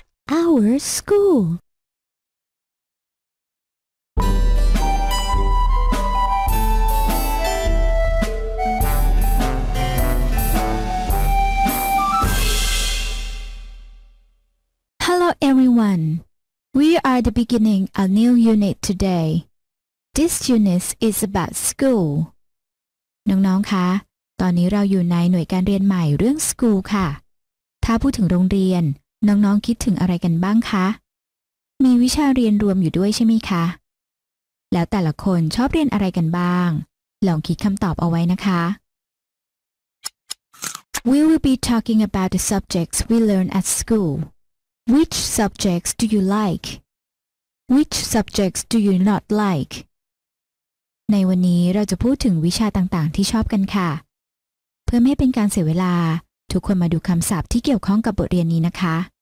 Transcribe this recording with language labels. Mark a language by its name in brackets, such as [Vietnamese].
[English] Our School Hello everyone. We are the beginning a new unit today. This unit is about school. [Thai] น้องๆคะตอนนี้เราอยู่ในหน่วยการเรียนใหม่เรื่อง School ค่ะถ้าพูดถึงโรงเรียนน้องๆคิดถึงอะไรกันบ้างคะมีวิชาเรียนรวมอยู่ด้วยใช่ไหมคะแล้วแต่ละคนชอบเรียนอะไรกันบ้างลองคิดคำตอบเอาไว้นะคะ [English] We will be talking about the subjects we learn at school. Which subjects do you like? Which subjects do you not like? [Thai] ในวันนี้เราจะพูดถึงวิชาต่างๆที่ชอบกันค่ะเพื่อไม่ให้เป็นการเสียเวลาทุกคนมาดูคำศัพท์ที่เกี่ยวข้องกับบทเรียนนี้นะคะ